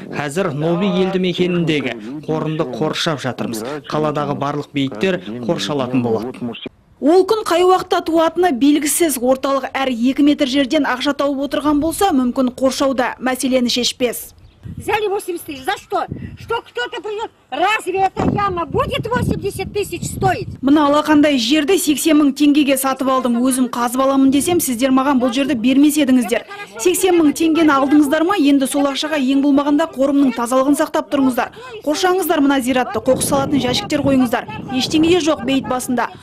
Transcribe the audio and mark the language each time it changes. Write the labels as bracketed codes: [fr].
[kk] Қазір Новый елді мекеніндегі қорымды қоршап жатырмыз. Қаладағы барлық бейіттер қоршалатын болады. Ол күн қай уақытта туатыны белгісіз. Орталық әр 2 метр жерден ақша тауып отырған болса, мүмкін қоршауда мәселені шешпес. [ru] взяли 80 тысяч. За что? Что кто-то придет? Разве эта яма будет 80 тысяч стоить? [kk] Мына алақандай жерді 80 мың теңгеге сатып алдым. Өзім қазып аламын десем, сіздер маған бұл жерді бермеседіңіздер. 80 мың теңгені алдыңыздар ма? Енді сол ақшаға ең болмағанда қорымның тазалығын сақтап тұрыңыздар. Қоршаңыздар мына зиратты, қоқыс салатын жәшіктер қойыңыздар. Ештеңе жоқ бейіт басында.